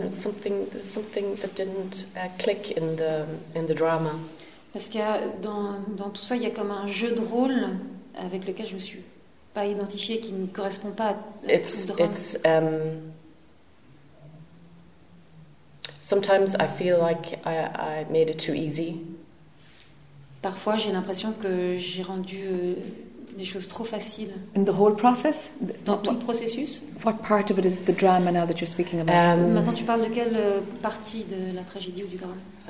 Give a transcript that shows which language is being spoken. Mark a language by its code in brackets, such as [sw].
[en] There's something that didn't click in the drama. [fr] Parce qu'il y a dans tout ça, il y a comme un jeu de rôle avec lequel je me suis pas identifiée, qui ne correspond pas au drama. [en] Sometimes I feel like I made it too easy. [fr] Parfois, j'ai l'impression que j'ai rendu les choses trop faciles. [en] In the whole process? [fr] Le processus? [en] What part of it is the drama now that you're speaking about? [fr] Maintenant, tu parles de quelle partie de la tragédie ou du drame?